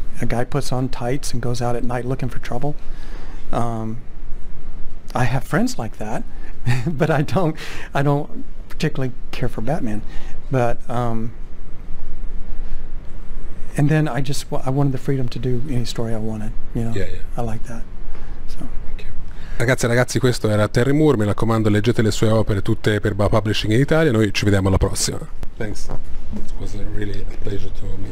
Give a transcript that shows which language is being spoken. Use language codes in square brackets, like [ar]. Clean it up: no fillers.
[en] A guy puts on tights and goes out at night looking for trouble. I have friends like that. But I don't particularly care for Batman. But and then I wanted the freedom to do any story I wanted. You know, yeah. I like that. So. Okay. [it] Ragazzi, questo era Terry Moore. Mi raccomando, leggete le sue opere tutte per BA Publishing in Italia. Noi ci vediamo alla prossima. [en] Thanks. It was really a pleasure to meet you.